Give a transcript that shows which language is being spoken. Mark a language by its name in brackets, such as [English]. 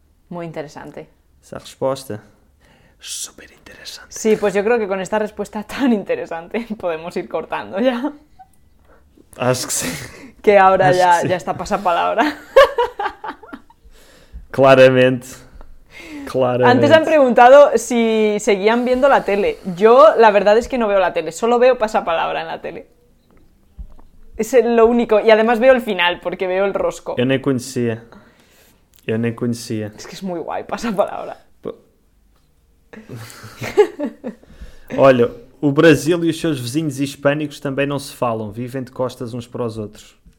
[Portuguese] Muito interessante. Essa resposta, super interessante. Sim, pois eu creio que com esta resposta tão interessante podemos ir cortando já. Acho que sim. Que agora já, que já está a passar a palavra. Claramente. Claramente. [Spanish] Antes han preguntado si seguían viendo la tele. Yo la verdad es que no veo la tele, solo veo Pasapalabra en la tele. Es lo único, y además veo el final porque veo el rosco. Yo ni conocía. Yo ni conocía. Es que es muy guay Pasapalabra. [Portuguese] Olha, o Brasil e os seus vizinhos hispânicos também não se falam, vivem de costas uns para os outros.